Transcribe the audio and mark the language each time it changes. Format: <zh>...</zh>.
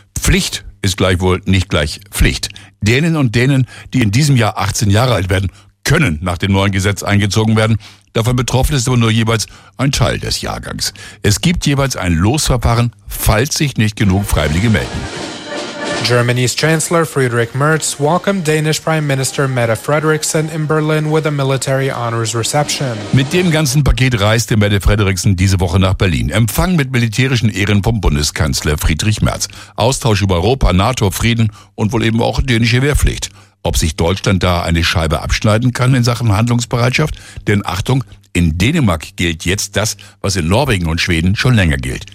<de>Pflicht ist gleichwohl nicht gleich Pflicht. Dänen und Dänen, die in diesem Jahr 18 Jahre alt werden, können nach dem neuen Gesetz eingezogen werden. Davon betroffen ist aber nur jeweils ein Teil des Jahrgangs. Es gibt jeweils ein Losverfahren, falls sich nicht genug Freiwillige melden.</de> <en>Germany's Chancellor Friedrich Merz welcomed Danish Prime Minister Mette Frederiksen in Berlin with a military honors reception.</en> <de>Mit dem ganzen Paket reiste Mette Frederiksen diese Woche nach Berlin. Empfang mit militärischen Ehren vom Bundeskanzler Friedrich Merz. Austausch über Europa, NATO, Frieden und wohl eben auch dänische Wehrpflicht. Ob sich Deutschland da eine Scheibe abschneiden kann in Sachen Handlungsbereitschaft? Denn Achtung, in Dänemark gilt jetzt das, was in Norwegen und Schweden schon länger gilt.</de>